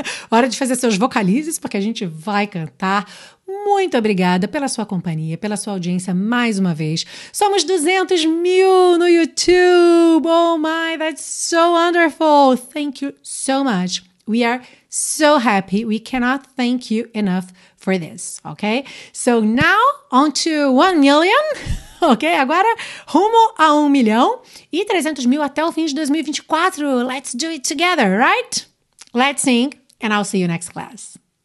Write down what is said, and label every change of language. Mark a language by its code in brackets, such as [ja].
[pt] Hora de fazer seus vocalizes, porque a gente vai cantar. Muito obrigada pela sua companhia, pela sua audiência mais uma vez. Somos 200 mil no YouTube. [en] Oh my, that's so wonderful. Thank you so much. We are so happy. We cannot thank you enough for this, ok? So now, on to 1 million, ok? [pt] Agora, rumo a 1 milhão e 300 mil até o fim de 2024. [en] Let's do it together, right? Let's sing, and I'll see you next class.